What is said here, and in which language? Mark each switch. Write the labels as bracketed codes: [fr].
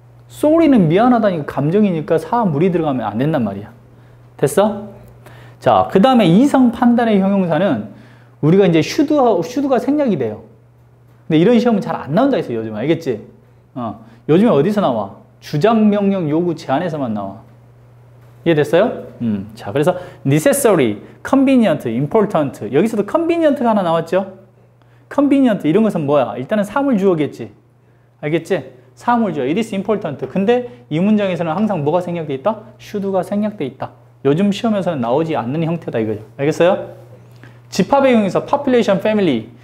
[ko] sorry는 미안하다니까 감정이니까 사물이 들어가면 안 된단 말이야. 됐어? 자, 그 다음에 이성 판단의 형용사는 우리가 이제 should가 생략이 돼요. 근데 이런 시험은 잘 안 나온다 했어요 요즘. 알겠지? 요즘에 어디서 나와? 주장, 명령, 요구, 제안에서만 나와. 이해됐어요? 자, 그래서 necessary, convenient, important. 여기서도 convenient가 하나 나왔죠? convenient, 이런 것은 뭐야? 일단은 사물주어겠지. 알겠지? 사물주어. [en] It is important. [ko] 근데 이 문장에서는 항상 뭐가 생략돼 있다? should가 생략돼 있다. 요즘 시험에서는 나오지 않는 형태다, 이거죠. 알겠어요? 집합의 경우에서 population, family.